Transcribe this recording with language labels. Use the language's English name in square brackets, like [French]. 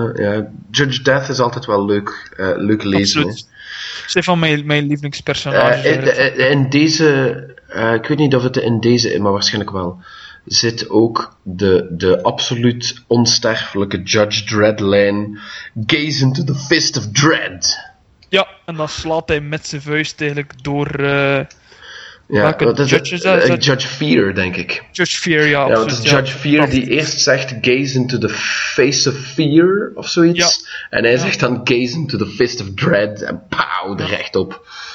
[Dutch] Ja, Judge Death is altijd wel leuk, leuk lezen. Absoluut. Het is van mijn lievelingspersonage. In deze, ik weet niet of het in deze is, maar waarschijnlijk wel, zit ook de absoluut onsterfelijke Judge Dreadline. [English] Gaze into the fist of dread. [Dutch] Ja, en dan slaat hij met zijn vuist eigenlijk door... ja, dat is Judge Fear, denk ik. Judge Fear, ja. Ja, dat is Judge Fear die eerst zegt, [English] gaze into the face of fear, [Dutch] of zoiets. Ja. En hij zegt dan, [English] gaze into the fist of dread, [Dutch] en pauw, er recht op.